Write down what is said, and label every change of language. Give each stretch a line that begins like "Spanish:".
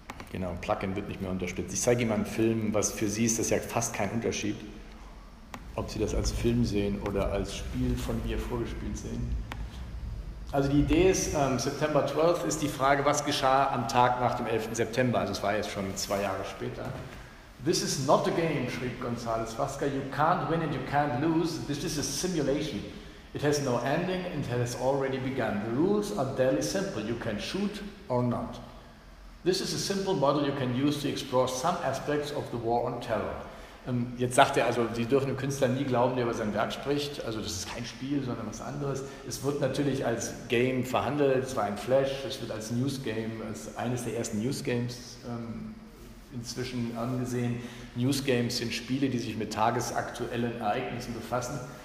German: Genau, ein Plugin wird nicht mehr unterstützt. Ich zeige Ihnen mal einen Film, was für Sie ist das ja fast kein Unterschied, ob Sie das als Film sehen oder als Spiel von mir vorgespielt sehen. Also die Idee ist, September 12 ist die Frage, was geschah am Tag nach dem 11. September, also es war jetzt schon 2 Jahre später.
English: This is not a game,
German: schrieb
English: González Frasca, you can't win and you can't lose, this is a simulation. It has no ending and it has already begun. The rules are deadly simple, you can shoot or not. This is a simple model you can use to explore some aspects of the war on terror.
German: Jetzt sagt er also, Sie dürfen dem Künstler nie glauben, der über sein Werk spricht. Also das ist kein Spiel, sondern was anderes. Es wird natürlich als Game verhandelt, es war ein Flash, es wird als News Game, als eines der ersten News Games inzwischen angesehen. News Games sind Spiele, die sich mit tagesaktuellen Ereignissen befassen.